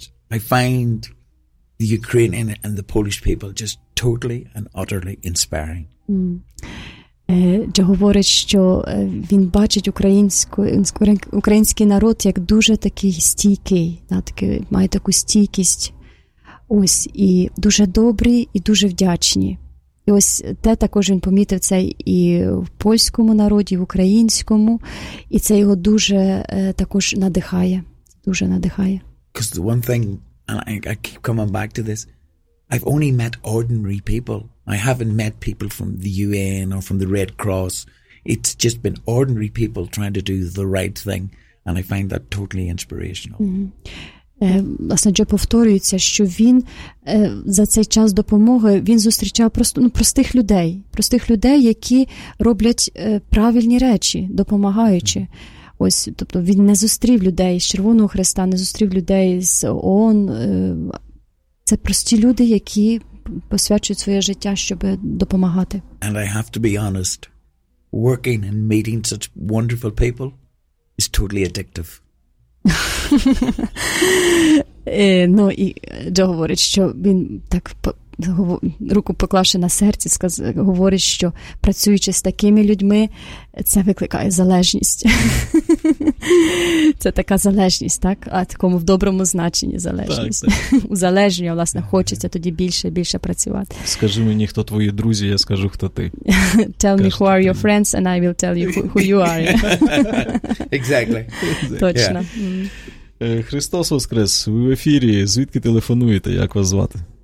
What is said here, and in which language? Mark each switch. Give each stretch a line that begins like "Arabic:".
English: I find the Ukrainian and the Polish people just totally and utterly inspiring. Mm.
Ukrainian: Джо говорить, що він бачить український народ як дуже такий стійкий, да, такий, має таку стійкість. Ось, і дуже добрі, і дуже вдячні. І ось те також він помітив це і в польському народі, і в українському, і це його дуже також надихає. Дуже надихає.
English: Because the one thing, and I keep coming back to this, I've only met ordinary people. I haven't met people from the UN or from the Red Cross. It's just been ordinary people trying to do the right thing, and I find that totally inspirational. Mm-hmm.
Ukrainian: Власне, Джо повторюється, що він за цей час допомоги, він зустрічав просто, ну, простих людей, які роблять правильні речі, допомагаючи. Ось, тобто він не зустрів людей з Червоного Хреста, не зустрів людей з ООН. Це прості люди, які посвячують своє життя, щоб допомагати.
English: And I have to be honest, working and meeting such wonderful people is totally addictive.
Ukrainian: Ну і Джо говорить, що він так руку поклавши на серці, говорить, що працюючи з такими людьми, це викликає залежність. Це така залежність, так? А такому в доброму значенні залежність. Так, так. Узалежнює, власне, хочеться тоді більше і більше працювати. Скажи мені, хто твої друзі, я скажу, хто ти.
English: Tell me who are your friends and I will tell you who you are. Exactly.
Ukrainian: Точно. Христос воскрес, ви в ефірі, звідки телефонуєте, як вас звати?